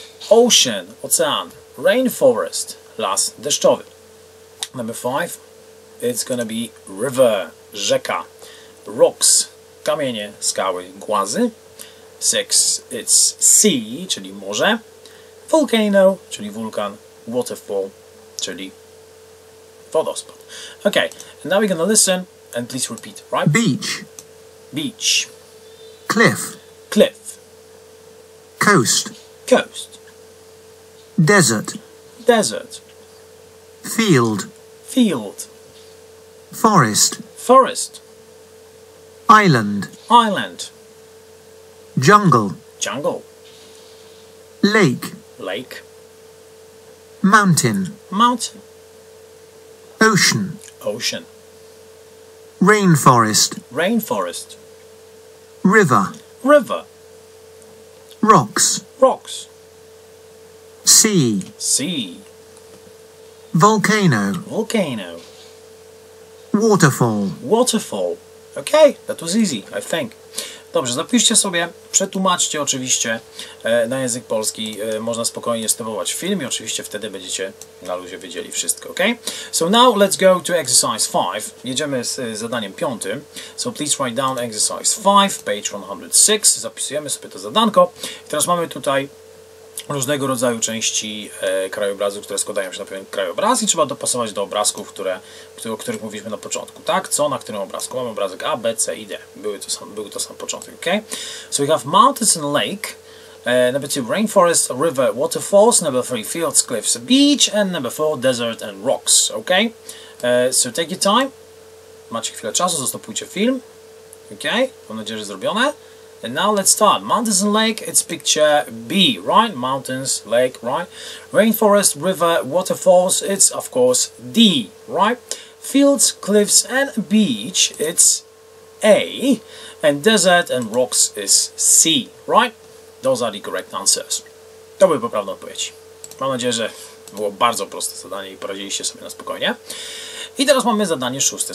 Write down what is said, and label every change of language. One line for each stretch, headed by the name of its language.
English: Ocean, ocean. Rainforest,
Polish: las deszczowy.
English: Number five. It's gonna be river, rzeka. Rocks,
Polish: kamienie, skały, głazy.
English: Six, it's sea,
Polish: czyli morze.
English: Volcano,
Polish: czyli wulkan. Waterfall, czyli wodospad.
English: Okay, and now we're gonna listen and please repeat, right? Beach. Beach. Cliff. Cliff. Coast. Coast. Desert. Desert. Field. Field. Forest. Forest. Island. Island. Jungle. Jungle. Lake. Lake. Mountain. Mountain. Ocean. Ocean. Rainforest. Rainforest. River. River. Rocks. Rocks. Sea. Sea. Volcano. Volcano. Waterfall. Waterfall. Okay, that was easy, I think.
Polish: Dobrze, zapiszcie sobie, przetłumaczcie oczywiście na język polski. Można spokojnie stopować film i oczywiście wtedy będziecie na luzie wiedzieli wszystko, ok?
English: So now let's go to exercise 5.
Polish: Jedziemy z zadaniem 5.
English: So please write down exercise 5, page 106.
Polish: Zapisujemy sobie to zadanko. I teraz mamy tutaj różnego rodzaju części krajobrazu, które składają się na pewien krajobraz i trzeba dopasować do obrazków, o których mówiliśmy na początku, tak? Co na którym obrazku? Mamy obrazek A, B, C i D. Był to sam początek, ok?
English: So we have mountains and lake, number 2 rainforest, river, waterfalls, number 3 fields, cliffs, beach and number 4 desert and rocks, ok? So take your time,
Polish: macie chwilę czasu, zastopujcie film, ok? Mam nadzieję, że zrobione.
English: And now let's start. Mountains and lake, it's picture B, right? Mountains, lake, right? Rainforest, river, waterfalls, it's of course D, right? Fields, cliffs and beach, it's A. And desert and rocks is C, right? Those are the correct answers.
Polish: To by poprawna odpowiedź. Mam nadzieję, że było bardzo proste zadanie i poradziliście sobie na spokojnie. I teraz mamy zadanie szóste.